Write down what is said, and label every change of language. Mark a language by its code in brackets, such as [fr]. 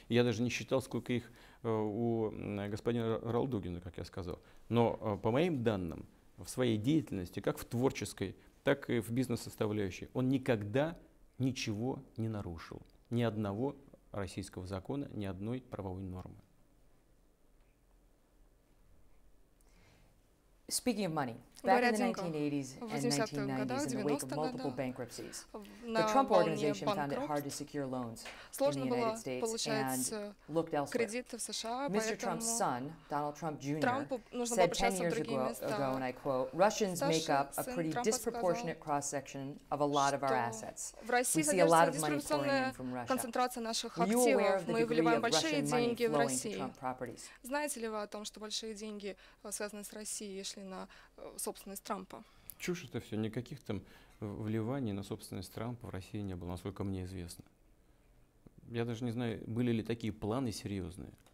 [ru] Я даже не считал, сколько их у господина Ралдугина, как я сказал. Но по моим данным, в своей деятельности, как в творческой, так и в бизнес-составляющей, он никогда ничего не нарушил. Ни одного российского закона, ни одной правовой нормы. [en] Speaking of money, back in the 1980s and 1990s, in the wake of multiple bankruptcies, the Trump organization found it hard to secure loans in the United States and looked elsewhere. Mr. Trump's son, Donald Trump Jr., said 10 years ago, and I quote, Russians make up a pretty disproportionate cross-section of a lot of our assets. We see a lot of money flowing in from Russia. Were you aware of the degree of Russian money flowing to Trump properties? [ru] Знаете ли вы о том, что большие деньги, связанные с Россией, шли на собственность Трампа? Чушь это все. Никаких там вливаний на собственность Трампа в России не было, насколько мне известно. Я даже не знаю, были ли такие планы серьезные.